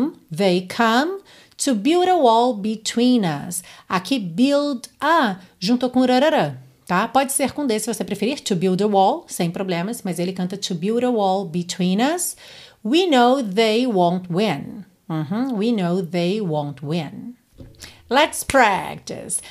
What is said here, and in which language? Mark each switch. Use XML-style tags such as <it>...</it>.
<en>They come to build a wall between us.</en> <pt>Aqui build a junto com rarará. Tá? Pode ser com D se você preferir, to build a wall, sem problemas, mas ele canta</pt> <en>to build a wall between us. We know they won't win. Uhum, we know they won't win. Let's practice.</en>